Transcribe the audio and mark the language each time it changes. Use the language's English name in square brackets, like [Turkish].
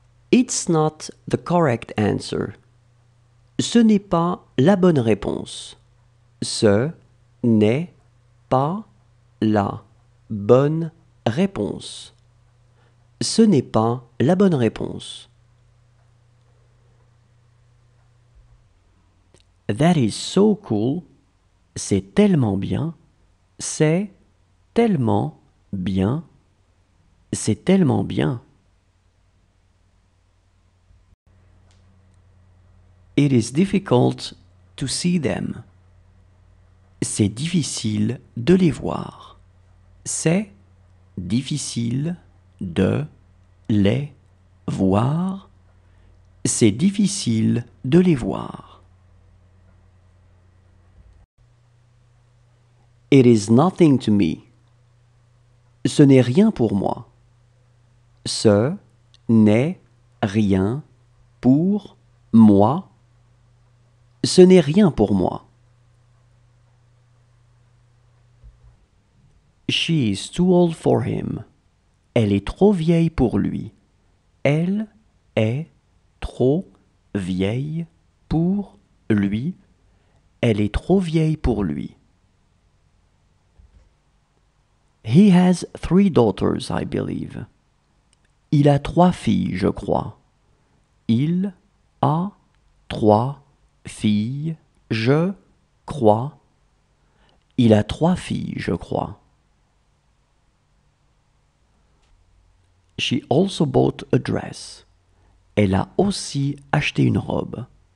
[English] It's not the correct answer. [French] Ce n'est pas la bonne réponse. Ce n'est pas la bonne réponse. Ce n'est pas la bonne réponse. [English] That is so cool. [French] C'est tellement bien. C'est tellement bien. C'est tellement bien. [English] It is difficult to see them. [French] C'est difficile de les voir. C'est difficile de les voir. C'est difficile de les voir. [English] It is nothing to me. [French] Ce n'est rien pour moi. Ce n'est rien pour moi. Ce n'est rien pour moi. [English] She is too old for him. [French] Elle est trop vieille pour lui. Elle est trop vieille pour lui. Elle est trop vieille pour lui. [English] He has three daughters, I believe. [French] Il a trois filles, je crois. Il a trois filles, je crois. Il a trois filles, je crois. [English] She also bought a dress. [French] Elle a aussi acheté une robe.